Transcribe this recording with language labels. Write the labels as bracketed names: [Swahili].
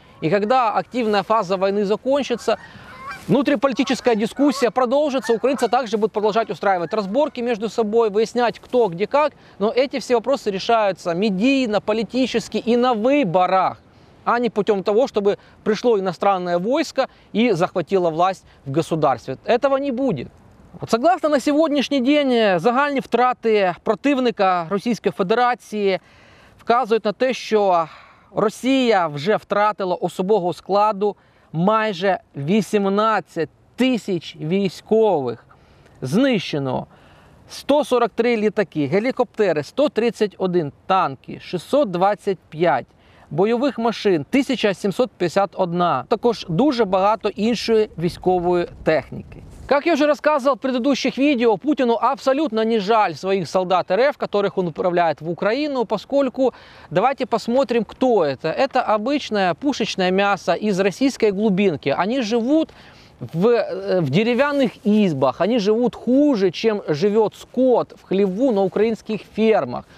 [Russian] И когда активная фаза войны закончится, внутриполитическая дискуссия продолжится, украинцы также будут продолжать устраивать разборки между собой, выяснять кто где как, но эти все вопросы решаются медийно, политически и на выборах, а не путем того, чтобы пришло иностранное войско и захватило власть в государстве. Этого не будет. [Ukrainian] Вот согласно на сегодняшний день, загальні втрати противника Російської Федерації вказують на те, що Росія вже втратила особового складу майже 18 тисяч військових знищено. 143 літаки, гелікоптери, 131 танки, 625 бойових машин, 1751. Також дуже багато іншої військової техніки. [Russian] Как я уже рассказывал в предыдущих видео, Путину абсолютно не жаль своих солдат РФ, которых он отправляет в Украину, поскольку давайте посмотрим, кто это. Это обычное пушечное мясо из российской глубинки. Они живут в деревянных избах, они живут хуже, чем живет скот в хлеву на украинских фермах.